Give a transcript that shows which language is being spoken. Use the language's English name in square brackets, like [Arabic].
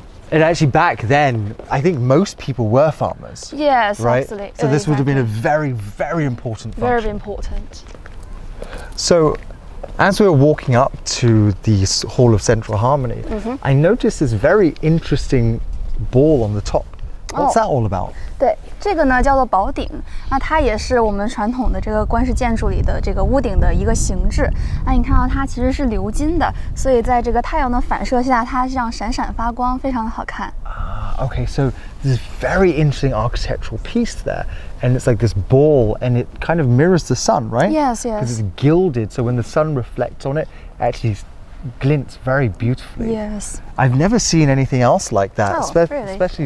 [English] And actually back then, I think most people were farmers. Yes, right? absolutely. So this would have been a very, very important function. Very important. So as we were walking up to the Hall of Central Harmony, I noticed this very interesting ball on the top. What's that all about? [Chinese] 对，这个呢叫做宝顶，那它也是我们传统的这个官式建筑里的这个屋顶的一个形制。那你看到它其实是鎏金的，所以在这个太阳的反射下，它这样闪闪发光，非常的好看。 [English] Okay, so this is very interesting architectural piece there, and it's like this ball, and it kind of mirrors the sun, right? Yes, yes. Because it's gilded, so when the sun reflects on it, actually. Glints very beautifully. Yes. I've never seen anything else like that, especially